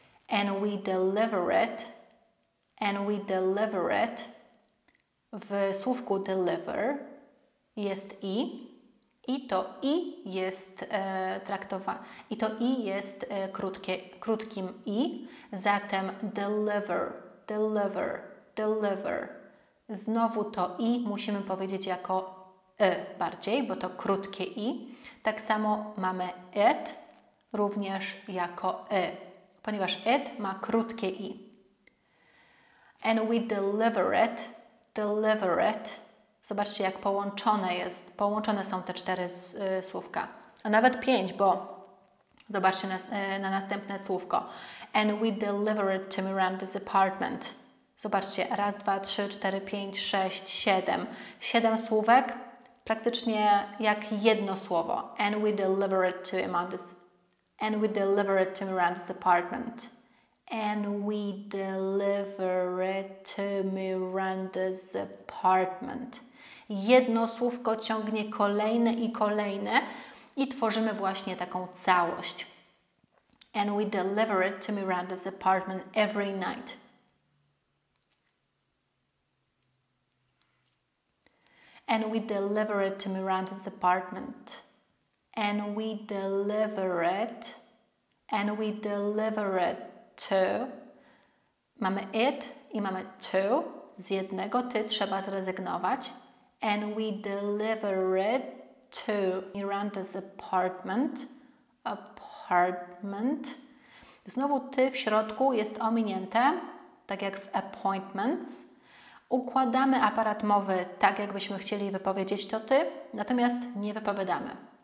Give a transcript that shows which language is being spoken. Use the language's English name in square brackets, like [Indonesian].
[English] And we deliver it, [Polish] and we deliver it, w słówku deliver jest i to i jest i to i jest krótkim i, zatem deliver, deliver, deliver. Znowu to i musimy powiedzieć jako e bardziej, bo to krótkie i. Tak samo mamy it również jako e, ponieważ it ma krótkie i. [English] And we deliver it, deliver it. [Polish] Zobaczcie, jak połączone są te cztery słówka. A nawet pięć, bo zobaczcie na następne słówko. [English] And we deliver it to Miranda's apartment. [Polish] Zobaczcie, raz, dwa, trzy, cztery, pięć, sześć, siedem. Siedem słówek, praktycznie jak jedno słowo. [English] And we deliver it to Miranda's, and we deliver it to Miranda's apartment. And we deliver it to Miranda's apartment. [Polish] Jedno słówko ciągnie kolejne i kolejne i tworzymy właśnie taką całość. [English] And we deliver it to Miranda's apartment every night. And we deliver it to Miranda's apartment. And we deliver it. And we deliver it to. [Polish] Mamy it i mamy to. Z jednego ty trzeba zrezygnować. [English] And we deliver it to Miranda's apartment. Apartment. [Polish] Znowu ty w środku jest ominięte, tak jak w appointments. Układamy aparat mowy tak, jakbyśmy chcieli wypowiedzieć to ty, natomiast nie wypowiadamy.